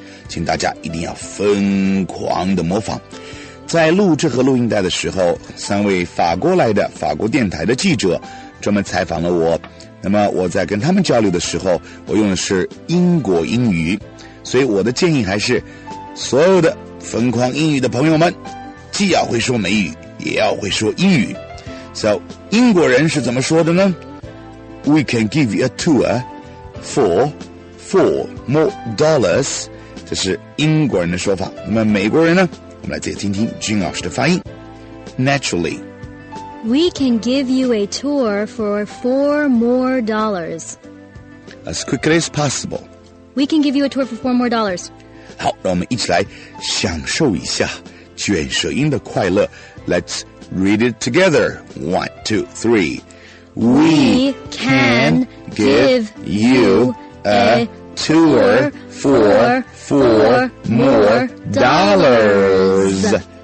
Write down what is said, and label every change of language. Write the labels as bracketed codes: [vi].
[zh] 请大家一定要疯狂的模仿。在录这盒录音带的时候，三位法国来的法国电台的记者专门采访了我。那么我在跟他们交流的时候，我用的是英国英语，所以我的建议还是，所有的疯狂英语的朋友们，既要会说美语，也要会说英语。 So, 英国人是怎么说的呢？ [en] We can give you a tour for $4 more. [zh] 这是英国人的说法。那么美国人呢？我们来接着听听君老师的发音。 [en] Naturally, we can give you a tour for $4 more. As quickly as possible. We can give you a tour for $4 more. [zh] 好，让我们一起来享受一下卷舌音的快乐。 [en] Let's read it together. 1, 2, 3. We can give you a tour for $4 more.